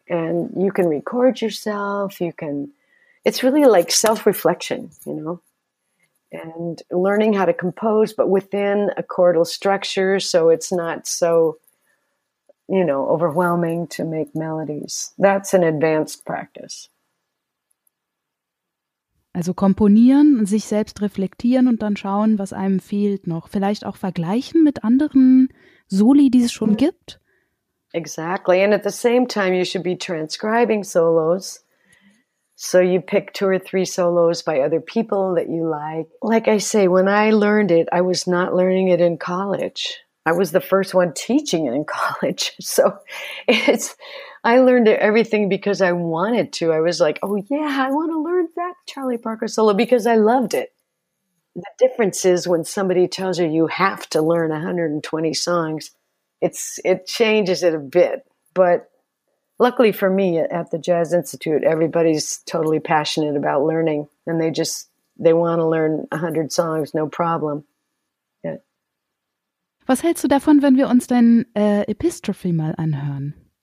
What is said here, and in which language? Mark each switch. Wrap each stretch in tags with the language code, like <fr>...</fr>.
<en>And you can record yourself. It's really like self-reflection, you know, and learning how to compose, but within a chordal structure. So it's not so, you know, overwhelming to make melodies. That's an advanced practice.</en> <de>Also komponieren, sich selbst reflektieren und dann schauen, was einem fehlt noch. Vielleicht auch vergleichen mit anderen Soli, die es schon gibt.</de> <en>Exactly. And at the same time, you should be transcribing solos. So you pick two or three solos by other people that you like. Like I say, when I learned it, I was not learning it in college. I was the first one teaching it in college. So I learned everything because I wanted to. I was like, oh yeah, I want to learn that Charlie Parker solo because I loved it. The difference is when somebody tells you have to learn 120 songs, it changes it a bit. But luckily for me at the Jazz Institute, everybody's totally passionate about learning and they want to learn 100 songs, no problem.</en> <de>Was hältst du davon, wenn wir uns dein Epistrophe mal anhören?</de>